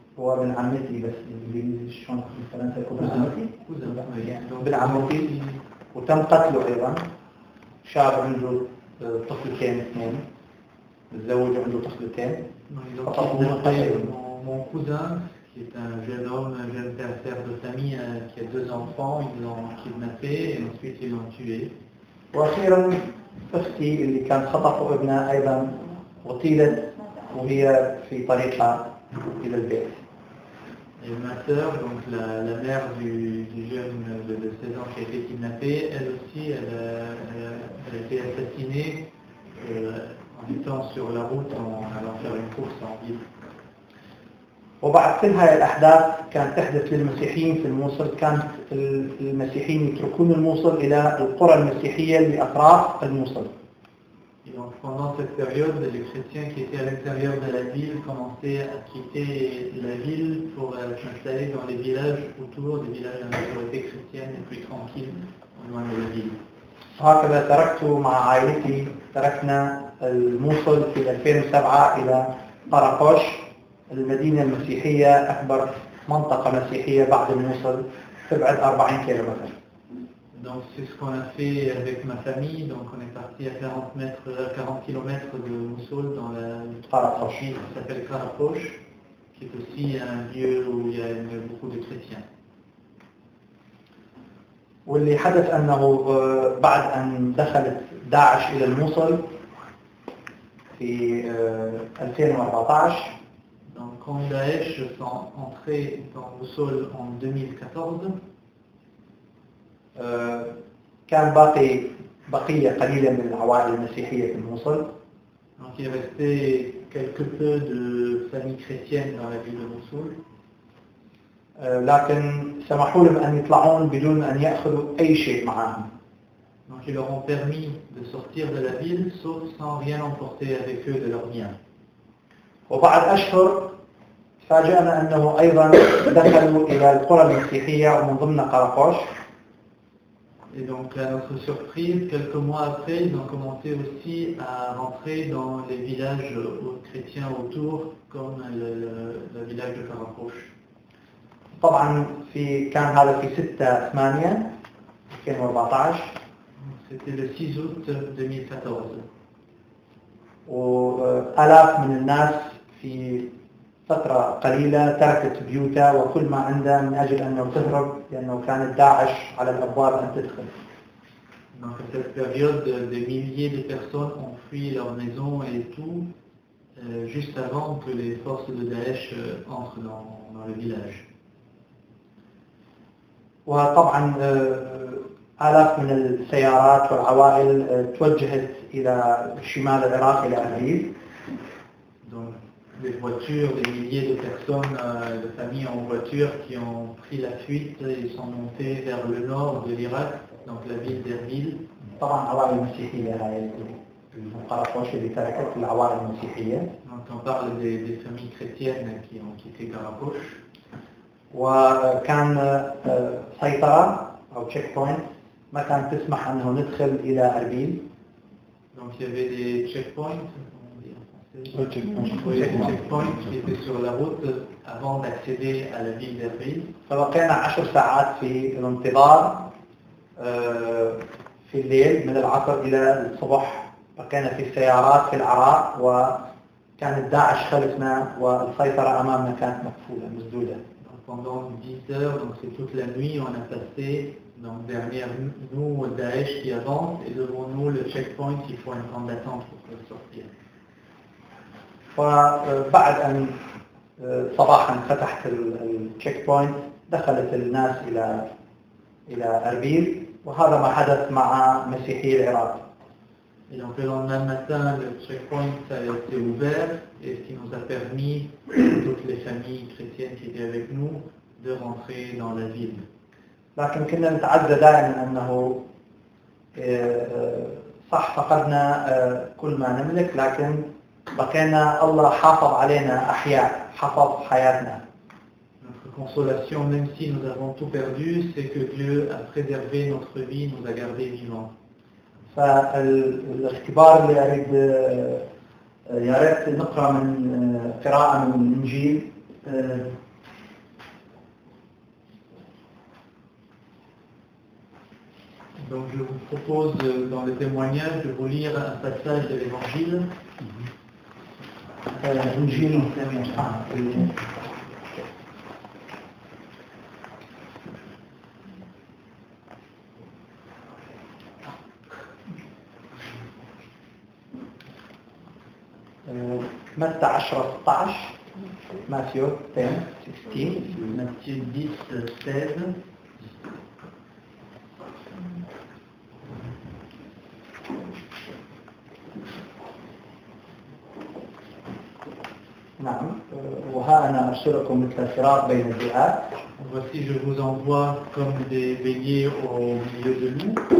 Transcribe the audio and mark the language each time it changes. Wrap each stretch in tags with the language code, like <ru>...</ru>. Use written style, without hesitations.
<ar>هو ابن عمتي بس الانجليزي شلون في فرنسا</ar> <en>cousin</en> <ar>ابن عمتي وتم قتله ايضا شاب عنده طفلتين اثنين متزوج عنده طفلتين</ar> <fr>mon cousin qui est un jeune homme un jeune père de famille qui a deux enfants ils l'ont kidnappé et ensuite ils l'ont tué</fr> <ar>واخيرا اختي اللي كان خطفوا ابنها ايضا قتلت وهي في طريقها الى البيت</ar> <fr>Et ma sœur, donc la mère du jeune de 16 ans qui a été kidnappée, elle aussi, elle a été assassinée en étant sur la route en allant faire une course en ville.</fr> <ar>وبعد كل هاي الأحداث كانت تحدث للمسيحيين في الموصل كانت المسيحيين يتركون الموصل إلى القرى المسيحية لأطراف الموصل.</ar> <fr>Et donc pendant cette période, les chrétiens qui étaient à l'intérieur de la ville commençaient à quitter la ville pour s'installer dans les villages autour, des villages à majorité chrétienne et plus tranquilles, au loin de la ville.</fr> <ar>هكذا تركت مع عائلتي تركنا الموصل في 2007 إلى قرقوش المدينة المسيحية أكبر منطقة مسيحية بعد الموصل تبعد 40 كيلومتر.</ar> <fr>Donc c'est ce qu'on a fait avec ma famille, donc on est parti à 40 km de Moussoul dans la Karakosh, qui s'appelle Karakosh, qui est aussi un lieu où il y a beaucoup de chrétiens.</fr> <ar>واللي حدث انه بعد ان دخلت داعش الى الموصل في 2014</ar> <fr>donc quand Daesh sont entrés dans Moussoul en 2014</fr> <ar>كان باقي بقية قليلة من العوائل المسيحية في الموصل.</ar> <fr>Donc il restait quelque peu de familles chrétiennes dans la ville de Mossoul.</fr> <ar>لكن سمحوا لهم أن يطلعون بدون أن يأخذوا أي شيء معهم.</ar> <fr>Donc ils leur ont permis de sortir de la ville sauf sans rien emporter avec eux de leurs biens.</fr> <ar>وبعد أشهر فاجأنا أنه أيضا دخلوا إلى القرى المسيحية ومن ضمن قرقوش.</ar> <fr>Et donc, à notre surprise, quelques mois après, ils ont commencé aussi à rentrer dans les villages chrétiens autour, comme le village de Karakouche.</fr> <ar>طبعا في كان هذا في 6/8 2014</ar> <fr>c'était le 6 août 2014</fr> <ar>وآلاف من الناس في فترة قليلة تركت بيوتها وكل ما عندها من أجل أن تهرب لأنه كانت داعش على الأبواب أن تدخل</ar> <fr>donc cette période des milliers de personnes ont fui leur maison et tout juste avant que les forces de Daesh entrent dans le village.</fr> <ar>وطبعا آلاف من السيارات والعوائل توجهت إلى شمال العراق إلى أبيد.</ar> <fr>Donc des voitures, des milliers de personnes, de familles en voiture qui ont pris la fuite et sont montées vers le nord de l'Irak, donc la ville d'Erbil.</fr> <ar>طبعا عوائل مسيحية هاي القرقوش اللي تركت العوائل المسيحية.</ar> <fr>Donc on parle des familles chrétiennes qui ont quitté Karakouche.</fr> <ar>وكان سيطرة أو تشيك بوينت ما كانت تسمح أنه ندخل إلى أربيل.</ar> <fr>Donc il y avait des checkpoints, checkpoints sur la route avant d'accéder à la ville d'Erbil.</fr> <ar>فبقينا 10 ساعات في الانتظار في الليل من العصر إلى الصبح بقينا في السيارات في العراء وكانت داعش خلفنا والسيطرة أمامنا كانت مكفولة مسدودة.</ar> <fr>Pendant 10 heures, donc c'est toute la nuit, on a passé donc derrière nous au Daesh qui avance et devant nous le checkpoint qui font un temps d'attente pour sortir.</fr> <ar>فبعد أن صباحا فتحت checkpoint دخلت الناس إلى أربيل وهذا ما حدث مع مسيحي العراق.</ar> <fr>Et donc le lendemain matin, le checkpoint a été ouvert et ce qui nous a permis, toutes les familles chrétiennes qui étaient avec nous, de rentrer dans la ville. Notre consolation, même si nous avons tout perdu, c'est que Dieu a préservé notre vie, nous a gardé vivants.</fr> <ar>فالاختبار اللي اريد يا ريت نقرا من قراءه من الانجيل</ar> <fr>Donc je vous propose dans le témoignage de vous lire un passage de l'évangile.</fr> <ar>متى 10 16 ماثيو 10 16 ماثيو 10 16 نعم وها انا ارسلكم مثل فراق بين الجهات</ar> <fr>voici je vous envoie comme des béliers au milieu de nous</fr>